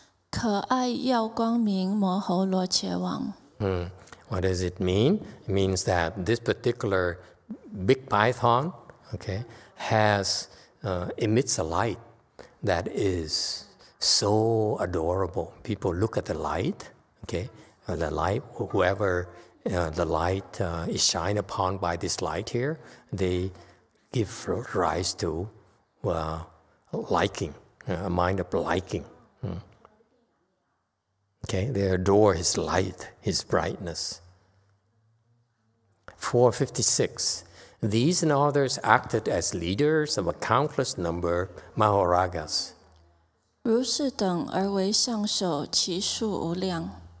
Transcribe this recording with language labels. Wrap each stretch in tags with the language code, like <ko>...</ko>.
<zh>可爱耀光明, 摩侯罗切王.</zh> <en>What does it mean? It means that this particular big python, okay, emits a light that is so adorable. People look at the light, okay, the light, whoever the light is shined upon by this light here, they give rise to liking, a mind of liking. Okay, they adore his light, his brightness. 456. These and others acted as leaders of a countless number Mahoragas.</en> <zh>如是等而为上首，其数无量.</zh>